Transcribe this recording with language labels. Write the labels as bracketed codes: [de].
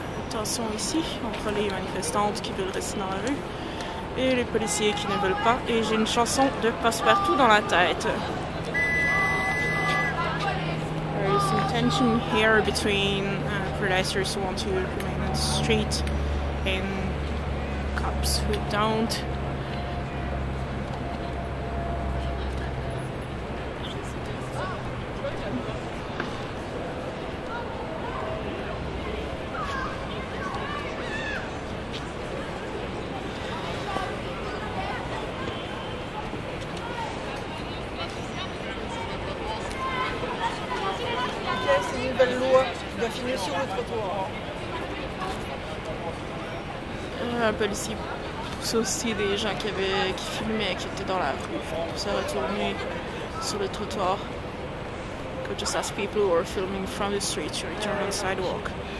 [fr] Tension ici entre les manifestantes qui veulent rester dans la rue et les policiers qui ne veulent pas, et j'ai une chanson de Passepartout dans la tête. [en] There is some tension here between protesters who want to remain on the street and cops who don't. [fr] Un policier pousse aussi des gens qui filmaient, qui étaient dans la rue, pour se retourner sur le trottoir. [en] Could just ask people who are filming from the street to return on the sidewalk.